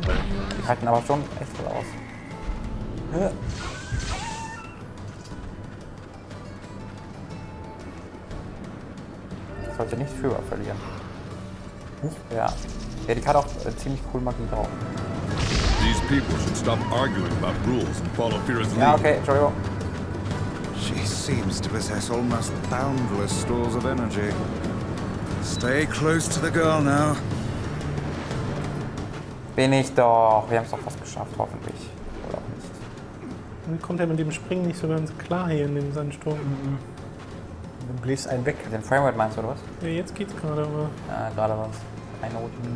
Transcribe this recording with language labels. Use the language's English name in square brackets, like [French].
[German] Bein. Die halten aber schon echt voll aus. Ja. Sollte nicht Führer verlieren. Ja. Ja, die kann auch ziemlich cool Magie drauf. [English] These people should stop arguing about rules and follow Fira's lead. [German] Ja, okay, Entschuldigung. [English] She seems to possess almost boundless stores of energy. Stay close to the girl now. [German] Bin ich doch. Wir haben es doch fast geschafft, hoffentlich. Oder auch nicht. Wie kommt er mit dem Springen nicht so ganz klar hier in dem Sandsturm? Du bläst einen weg. Den Framerate meinst du, oder was? Ja, jetzt geht's gerade, aber... Ja, gerade war es eine Route.